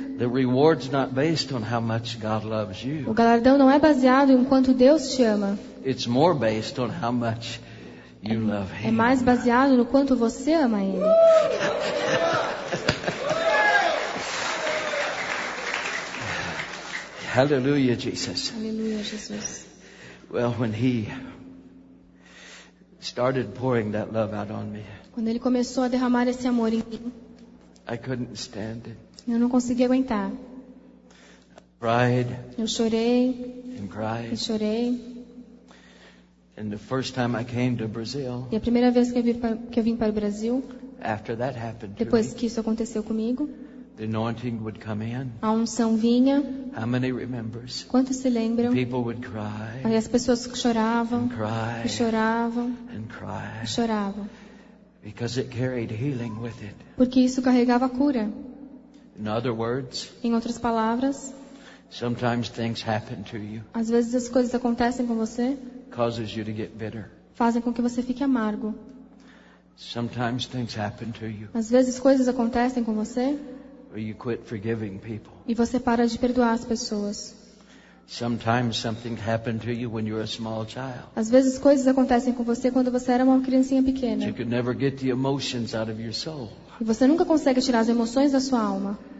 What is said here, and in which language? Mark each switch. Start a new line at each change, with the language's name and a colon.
English: The reward's not based on how much God loves you.
Portuguese: O galardão não é baseado em quanto Deus te ama.
English: It's more based on how much you love him.
Portuguese: É mais baseado no quanto você ama ele.
English: Hallelujah, Jesus.
Portuguese: Hallelujah, Jesus.
English: Well, when he started pouring that love out on me,
Portuguese: quando ele começou a derramar esse amor em mim,
English: I couldn't stand it.
Portuguese: Eu não conseguia aguentar.
English: I cried.
Portuguese: Eu chorei.
English: And cried.
Portuguese: E chorei.
English: And the first time I came to Brazil.
Portuguese: E a primeira vez que eu vim para o Brasil.
English: After that happened.
Portuguese: Depois que isso aconteceu comigo.
English: The anointing would come in.
Portuguese: A unção vinha.
English: How many remembers?
Portuguese: Quantos se lembram?
English: People would cry.
Portuguese: Aí as pessoas choravam.
English: And cry.
Portuguese: E choravam.
English: And cry.
Portuguese: E choravam.
English: Because it carried healing with it.
Portuguese: Porque isso carregava cura.
English: In other words,
Portuguese: em outras palavras,
English: sometimes things happen to you.
Portuguese: Às vezes as coisas acontecem com você.
English: Causes you to get bitter.
Portuguese: Fazem com que você fique amargo.
English: Sometimes things happen to you.
Portuguese: Às vezes coisas acontecem com você.
English: Or you quit forgiving people.
Portuguese: E você para de perdoar as pessoas.
English: Sometimes something happened to you when you were a small child.
Portuguese: Às vezes coisas acontecem com você quando você era uma criancinha pequena.
English: You could never get the emotions out of your soul.
Portuguese: E você nunca consegue tirar as emoções da sua alma.